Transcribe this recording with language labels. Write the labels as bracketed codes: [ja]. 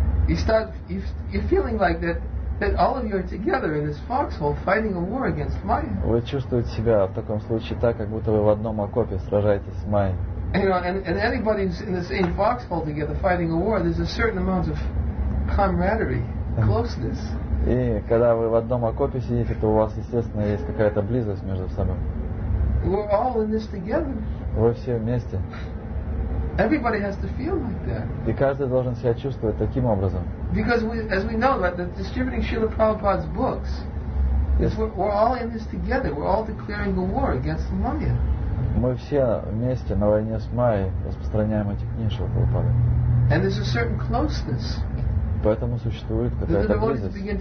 [en] You're feeling like that all of you are together in this foxhole fighting a war against Maya. [ru] Вы чувствуете себя в таком случае так, как будто вы в одном окопе сражаетесь с Майей. [en] And anybody's in the same foxhole together fighting a war. There's a certain amount of camaraderie, closeness. [ru] И когда вы в одном окопе сидите, то у вас, естественно, есть какая-то близость между собой. [en] We're all in this together. [ru] Вы все вместе. [en] Everybody has to feel like that. [ru] И каждый должен себя чувствовать таким образом. [en] Because we, as we know, that distributing Srila Prabhupada's books, yes. We're all in this together. We're all declaring a war against the Maya. [ru] Мы все вместе на войне с Майей распространяем эти книги Шрила Прабхупады. [en] And there's a certain closeness. [ru] Поэтому существует какая-то близость.